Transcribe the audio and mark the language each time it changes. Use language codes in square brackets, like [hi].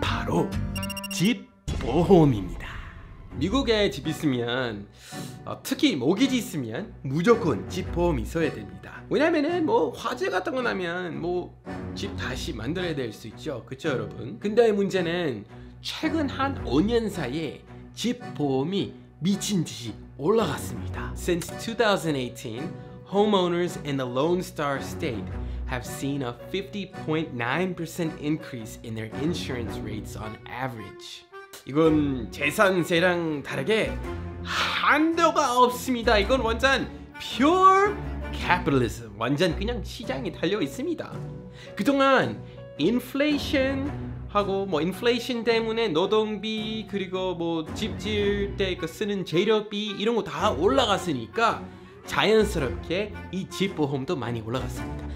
[ko] 바로 집 보험입니다. 미국에 집 있으면 특히 모기지 있으면 무조건 집 보험이 있어야 됩니다. 왜냐면은 뭐 화재 같은 거 나면 뭐 집 다시 만들어야 될 수 있죠. 그쵸 여러분? 근데 문제는 최근 한 5년 사이에 집 보험이 미친 듯이 올라갔습니다. [en] Since 2018, homeowners in the Lone Star State have seen a 50.9% increase in their insurance rates on average. [ko] 이건 재산세랑 다르게 한도가 없습니다. 이건 완전 pure capitalism. 완전 그냥 시장이 달려 있습니다. 그동안 인플레이션 하고 뭐 인플레이션 때문에 노동비 그리고 뭐 집 지을 때 그 쓰는 재료비 이런 거 다 올라갔으니까 자연스럽게 이 집 보험도 많이 올라갔습니다.